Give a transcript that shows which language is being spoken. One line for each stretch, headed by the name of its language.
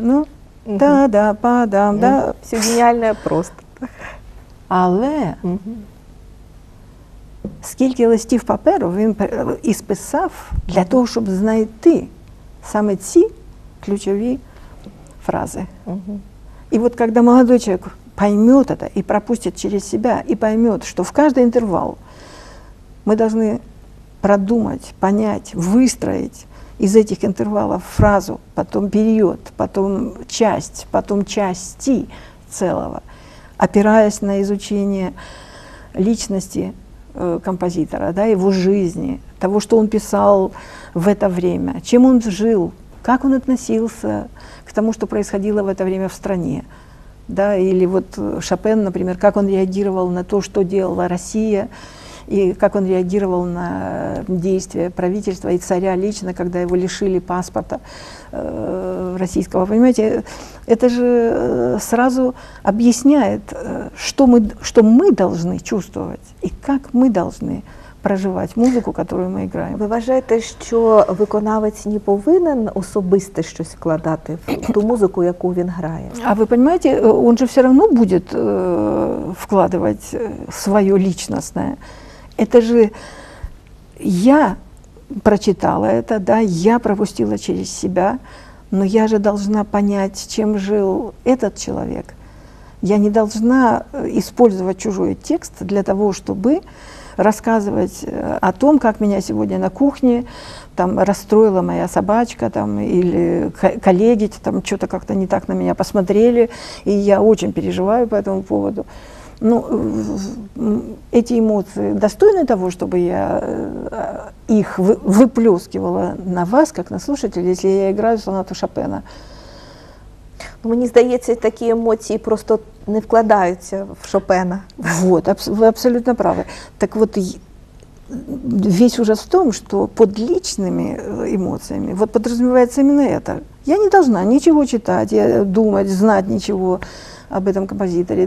Russian: Ну, та-да-па-дам, да.
Ukrainian: Все геніальне просто. Але скільки листів паперу він і списав для того, щоб знайти саме ці ключові
Russian: фразы. И вот когда молодой человек поймет это и пропустит через себя, и поймет, что в каждый интервал мы должны продумать, понять, выстроить из этих интервалов фразу, потом период, потом части целого, опираясь на изучение личности композитора, да, его жизни, того, что он писал в это время, чем он жил, как он относился к тому, что происходило в это время в стране. Да, или вот Шопен, например, как он реагировал на то, что делала Россия, и как он реагировал на действия правительства и царя лично, когда его лишили паспорта российского. Понимаете, это же сразу объясняет, что мы должны чувствовать и как мы должны проживать музыку, которую ми граємо.
Ukrainian: Ви вважаєте, що виконавець не повинен особисто щось вкладати в ту музику, яку він грає? А ви розумієте, він же все одно буде вкладати своє личностне. Це ж я прочитала це, да, я пропустила через себе, але я же должна понять, чим жив этот человек.
Russian: Я не должна использовать чужой текст для того, чтобы рассказывать о том, как меня сегодня на кухне там расстроила моя собачка, там, или коллеги там что-то как-то не так на меня посмотрели, и я очень переживаю по этому поводу. Ну, эти эмоции достойны того, чтобы я их выплескивала на вас, как на слушателей, если я играю сонату Шопена.
Ukrainian: Мені здається, такі емоції просто не вкладаються в Шопена. Вот, ви абсолютно праві. Так от, весь ужас в тому, що під личними емоціями, от підрозуміється саме це. Я не повинна нічого читати, думати, знати нічого об этом композиторі.